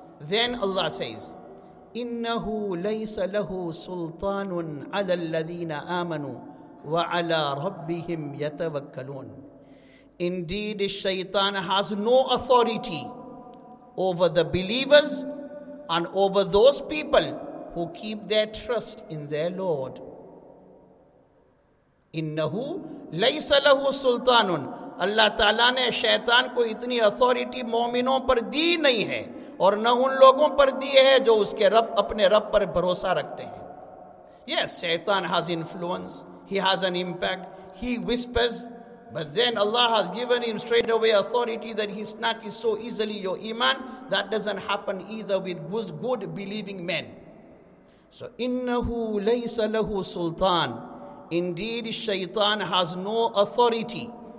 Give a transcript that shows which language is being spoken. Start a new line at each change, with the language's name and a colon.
English: Then Allah says,
Arabic: إِنَّهُ لَيْسَ لَهُ سُلْطَانٌ عَلَى الَّذِينَ آمَنُوا وَعَلَىٰ رَبِّهِمْ يَتَوَكَّلُونَ.
English: Indeed, shaitan has no authority over the believers and over those people who keep their trust in their Lord.
Arabic: إِنَّهُ لَيْسَ لَهُ سُلْطَانٌ.
Urdu: Allah Ta'ala نے شیطان کو اتنی authority مومنوں پر دی نہیں ہے اور نہ ان لوگوں پر دی ہے جو اس کے رب اپنے رب پر بھروسہ رکھتے ہیں.
English: Yes, shaitan has influence. He has an impact. He whispers. But then Allah has given him straight away authority that he snatches so easily your iman. That doesn't happen either with good believing men. So,
Arabic: إِنَّهُ لَيْسَ لَهُ سُلْطَانٌ.
English: Indeed, shaitan has no authority